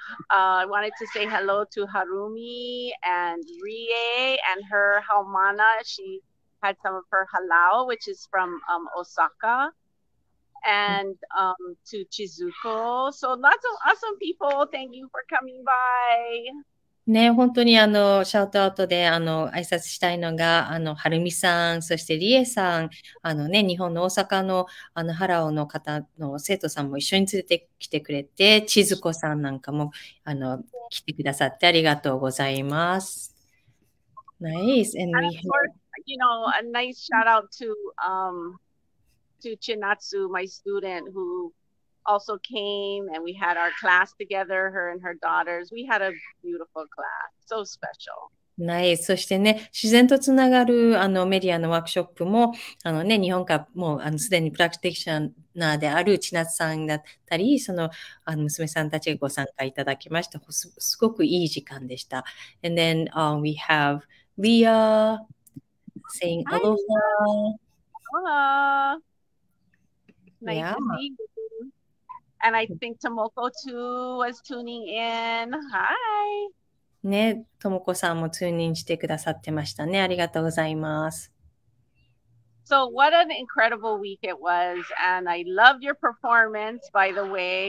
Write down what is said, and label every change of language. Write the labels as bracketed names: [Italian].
[English] I wanted to say hello to Harumi and Rie and her Haumana. She had some of her halal, which is from Osaka, and to Chizuko. So lots of awesome people. Thank you for coming by. [Japanese] ね、本当にシャウトアウトで挨拶したいのが、はるみさん、そしてりえさん、日本の大阪のハラオの方の生徒さんも一緒に連れてきてくれて、千鶴子さんなんかも来てくださってありがとうございます。 [English] ナイス、and we You know, a nice shout out to Chinatsu, my student, who also came and we had our class together, her and her daughters. We had a beautiful class, so special. ない。 [Japanese] そしてね、自然とつながるメディアのワークショップも、日本からもうすでにプラクティショナーである千夏さんだったり、娘さんたちがご参加いただきまして、すごくいい時間でした。 [English] And then, we have Leah saying Hi, aloha. Leah. Nice Yeah. to see you. And I think Tomoko too was tuning in. Hi. [Japanese] ね、ともこさんも通任してくださってましたね。ありがとうございます。 [English] So, what an incredible week it was. And I loved your performance, by the way.